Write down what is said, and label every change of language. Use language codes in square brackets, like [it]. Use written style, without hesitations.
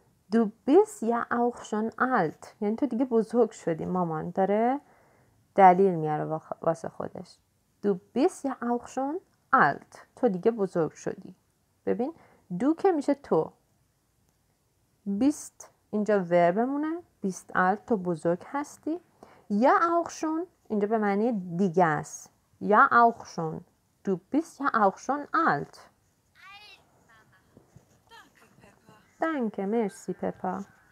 [de] Du bist ja auch schon alt. [fa] یعنی تو دیگه بزرگ شدی مامان داره دلیل میاره واسه خودش. [de] Du bist ja auch schon alt. [fa] تو دیگه بزرگ شدی. ببین دو که میشه تو. Bist اینجا ورب مونه. [de] Bist alt [fa] تو بزرگ هستی. [de] Ja auch schon [fa] اینجا به معنی دیگه است. [de] Ja auch schon. Du bist ja auch schon alt. Danke, merci, Peppa.